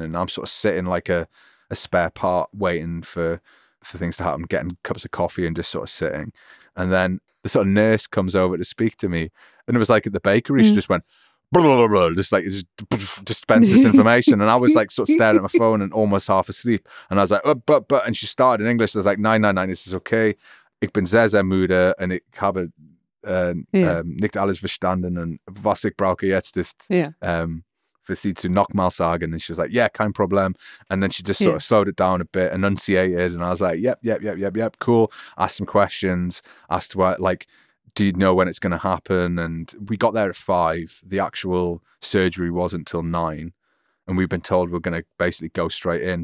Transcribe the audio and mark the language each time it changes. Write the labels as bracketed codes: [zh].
[en] And I'm sort of sitting like a spare part waiting for things to happen, getting cups of coffee and just sort of sitting. And then the sort of nurse comes over to speak to me, and it was like at the bakery. She just went, blah, blah, blah, just like dispense this information. And I was like sort of staring at my phone and almost half asleep. And I was like, but, and she started in English. I was like, 999, this is okay. [de] Ich bin sehr, sehr müde, und ich habe nicht alles verstanden, und was ich brauche jetzt ist für sie zu nochmal sagen. [en] And she was like, yeah, [de] kein Problem. [en] And then she just sort of slowed it down a bit, enunciated, and I was like, yep, cool. Asked some questions, asked what, like, do you know when it's going to happen? And we got there at 5. The actual surgery wasn't till 9. And we've been told we're going to basically go straight in.